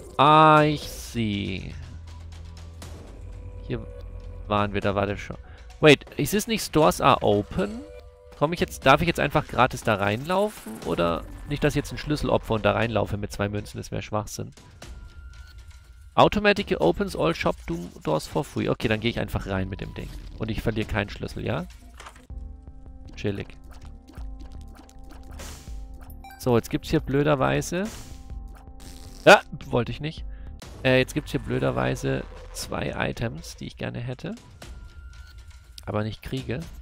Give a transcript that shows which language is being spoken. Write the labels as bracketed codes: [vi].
[de] Ah, ich sehe. Hier waren wir, da war der schon. Wait, ist es nicht [en] Stores are open? [de] Komme ich jetzt, darf ich jetzt einfach gratis da reinlaufen? Oder nicht, dass ich jetzt einen Schlüssel opfer und da reinlaufe mit zwei Münzen, das wäre Schwachsinn. [en] Automatic opens all shop doors for free. [de] Okay, dann gehe ich einfach rein mit dem Ding. Und ich verliere keinen Schlüssel, ja? Chillig. So, jetzt gibt's hier blöderweise... Ja, wollte ich nicht. Jetzt gibt's hier blöderweise zwei Items, die ich gerne hätte. Aber nicht kriege.